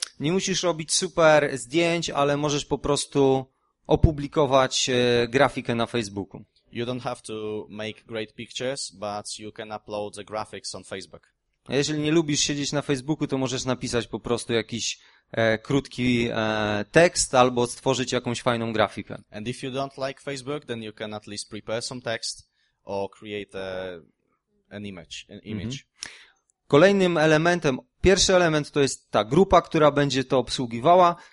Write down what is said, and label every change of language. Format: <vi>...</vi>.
<pl>Nie musisz robić super zdjęć, ale możesz po prostu opublikować grafikę na Facebooku.</pl> <en>You don't have to make great pictures, but you can upload the graphics on Facebook.</en> <pl>A jeżeli nie lubisz siedzieć na Facebooku, to możesz napisać po prostu jakiś krótki tekst albo stworzyć jakąś fajną grafikę.</pl> <en>And if you don't like Facebook, then you can at least prepare some text or create an image.</en> <pl>Kolejnym elementem, pierwszy element to jest ta grupa, która będzie to obsługiwała.</pl>